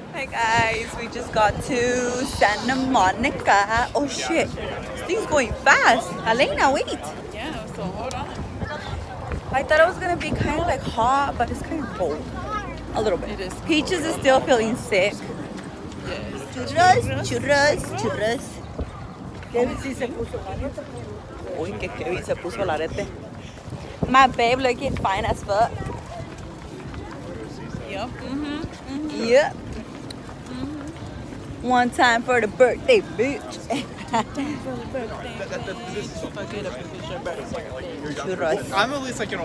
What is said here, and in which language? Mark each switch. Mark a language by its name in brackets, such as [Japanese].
[English] Guys, we just got to Santa Monica. Oh shit, this thing's going fast. Elena, wait. Yeah, so hold on. I thought it was gonna be kind of like hot, but it's kind of cold. A little bit. It is. Peaches is still feeling sick. Yes. Churros. Oh, Kevin, [Spanish] si se puso la arete. Uy, que Kevin se puso la arete. [English] My babe looking fine as fuck. Yup. Mm-hmm. Mm-hmm. Yep. One time for the birthday, bitch. I'm at least like gonna